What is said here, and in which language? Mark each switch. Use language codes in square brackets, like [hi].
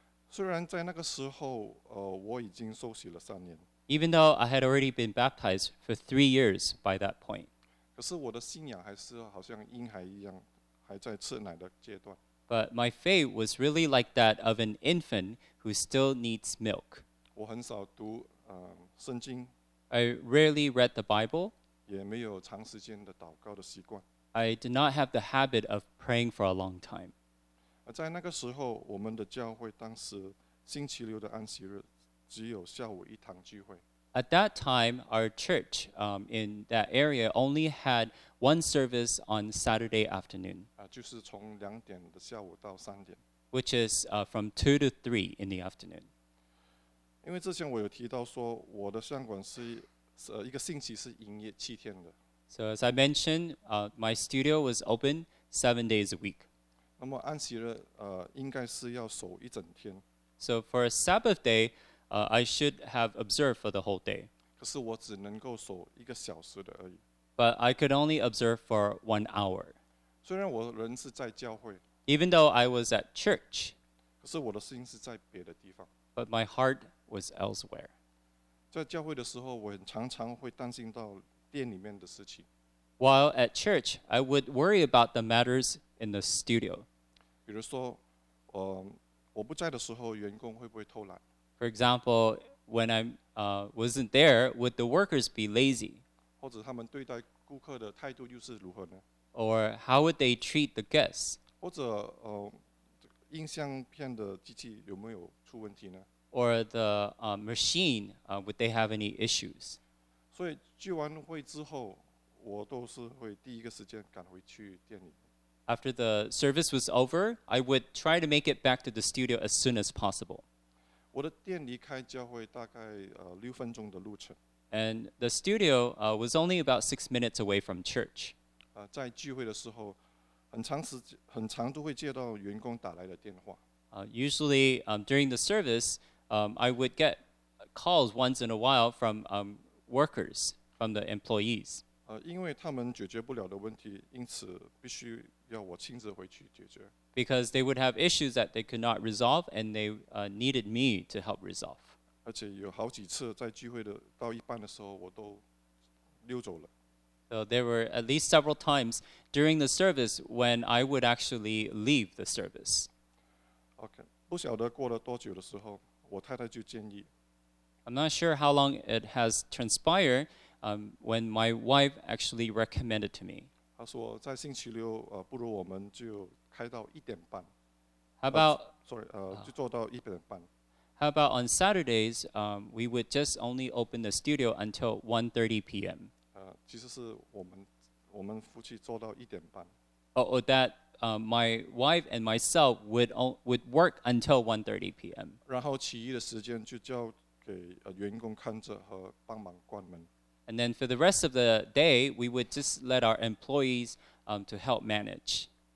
[zh] 虽然在那个时候我已经受洗了三年。 [en] Even though I had already been baptized for 3 years by that point. [zh] 可是我的信仰还是好像婴孩一样，还在吃奶的阶段。 [en] But my faith was really like that of an infant who still needs milk. [zh] 我很少读圣经。 [en] I rarely read the Bible. [zh] 也没有长时间的祷告的习惯。 [en] I did not have the habit of praying for a long time. [zh] 在那个时候，我们的教会当时星期六的安息日只有下午一堂聚会。 [en] At that time, our church in that area only had one service on Saturday afternoon. [zh] 就是从两点的下午到三点。 [en] Which is from 2 to 3 in the afternoon. [zh] 因为之前我有提到说，我的相馆是一个星期是营业七天的。 [en] So as I mentioned, my studio was open 7 days a week. [zh] 那么安息日应该是要守一整天。 [en] So for a Sabbath day, I should have observed for the whole day. [zh] 可是我只能够守一个小时的而已。 [en] But I could only observe for 1 hour. [zh] 虽然我人是在教会。 [en] Even though I was at church, [zh] 可是我的心是在别的地方。 [en] But my heart was elsewhere. [zh] 在教会的时候，我常常会担心到店里面的事情。 [en] While at church, I would worry about the matters in the studio. [zh] 比如说，我不在的时候，员工会不会偷懒？ [en] For example, when I wasn't there, would the workers be lazy? [zh] 或者他们对待顾客的态度又是如何呢？ [en] Or how would they treat the guests? [zh] 或者音像片的机器有没有出问题呢？ [en] Or the machine, would they have any issues? [zh] 所以聚完会之后，我都是会第一个时间赶回去店里。 [en] After the service was over, I would try to make it back to the studio as soon as possible. [zh] 我的店离开教会大概六分钟的路程。 [en] And the studio was only about 6 minutes away from church. [zh] 在聚会的时候，很长都会接到员工打来的电话。 [en] Usually during the service, I would get calls once in a while from workers, from the employees. [zh] 因为他们解决不了的问题，因此必须要我亲自回去解决。 [en] Because they would have issues that they could not resolve, and they needed me to help resolve. [zh] 而且有好几次在聚会的到一半的时候，我都溜走了。 [en] So there were at least several times during the service when I would actually leave the service. [zh] Okay, 不晓得过了多久的时候，我太太就建议。 [en] I'm not sure how long it has transpired when my wife actually recommended to me. [zh] 她说在星期六，不如我们就开到一点半。 [en] How about [zh] 就做到一点半。 [en] How about on Saturdays, we would just only open the studio until 1:30 p.m. [zh] 其实是我们夫妻做到一点半。 [en] My wife and myself would work until 1:30 p.m. [zh] 然后其余的时间就交给员工看着和帮忙关门。 [en] And then for the rest of the day, we would just let our employees to help manage.